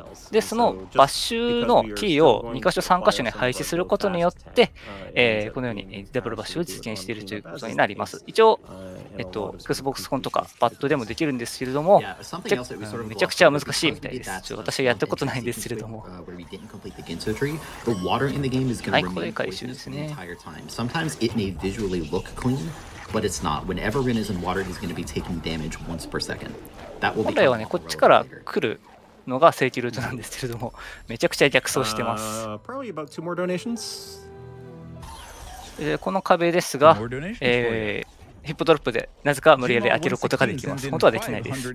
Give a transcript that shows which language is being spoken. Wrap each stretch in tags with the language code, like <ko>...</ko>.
<ja>で、そのバッシュのキーを2箇所3箇所に配置することによって、このようにダブルバッシュを実現しているということになります。一応、Xbox コンとかパッドでもできるんですけれども、めちゃくちゃ難しいみたいです。ちょっと私はやったことないんですけれども。はい、これ回収ですね。</ja> <en>Sometimes it may visually look clean, but it's not. Whenever Rin is in water, he's going to be taking damage once per second. That will be.</en> <ja>本来はね、こっちから来るのが正規ルートなんですけれども、めちゃくちゃ逆走してます。</ja> <en>Probably about two more donations.</en> <ja>この壁ですが、ヒップドロップでなぜか無理やり開けることができます。本当はできないです。</ja>